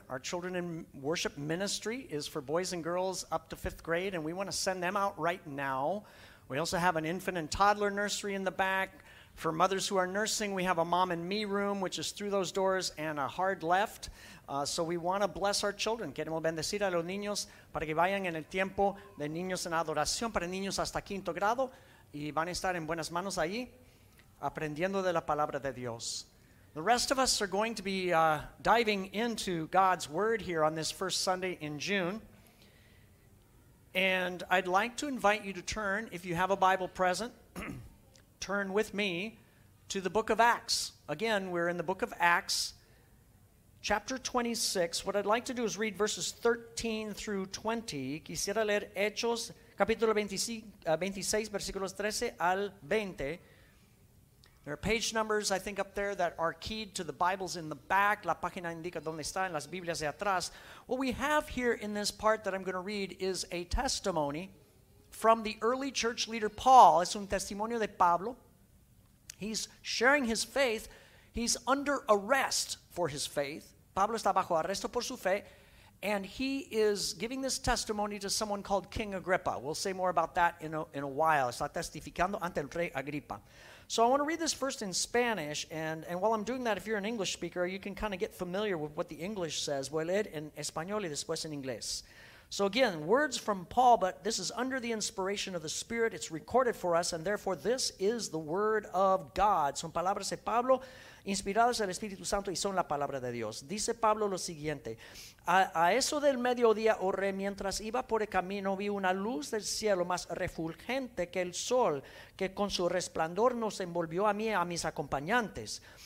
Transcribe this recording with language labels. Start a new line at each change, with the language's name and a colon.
English: Our children in worship ministry is for boys and girls up to fifth grade, and we want to send them out right now. We also have an infant and toddler nursery in the back. For mothers who are nursing, we have a mom and me room, which is through those doors and a hard left. So we want to bless our children.
Spanish: Queremos bendecir a los niños para que vayan en el tiempo de niños en adoración para niños hasta quinto grado y van a estar en buenas manos ahí aprendiendo de la palabra de Dios.
English: The rest of us are going to be diving into God's word here on this first Sunday in June. And I'd like to invite you to turn, if you have a Bible present, turn with me to the book of Acts. Again, we're in the book of Acts, chapter 26. What I'd like to do is read verses 13 through 20.
Spanish: Quisiera leer Hechos, capítulo 26, versículos 13 al 20.
English: There are page numbers, I think, up there that are keyed to the Bibles in the back.
Spanish: La página indica dónde está en las Biblias de atrás.
English: What we have here in this part that I'm going to read is a testimony from the early church leader Paul.
Spanish: Es un testimonio de Pablo.
English: He's sharing his faith. He's under arrest for his faith.
Spanish: Pablo está bajo arresto por su fe.
English: And he is giving this testimony to someone called King Agrippa. We'll say more about that in a while.
Spanish: Está testificando ante el rey Agrippa.
English: So I want to read this first in Spanish. And while I'm doing that, if you're an English speaker, you can kind of get familiar with what the English says.
Spanish: Voy a leer en español y después en inglés.
English: So again, words from Paul, but this is under the inspiration of the Spirit. It's recorded for us, and therefore this is the word of God.
Spanish: Son palabras de Pablo, inspiradas del Espíritu Santo, y son la palabra de Dios. Dice Pablo lo siguiente. A eso del mediodía oré, mientras iba por el camino, vi una luz del cielo más refulgente que el sol, que con su resplandor nos envolvió a mí y a mis acompañantes.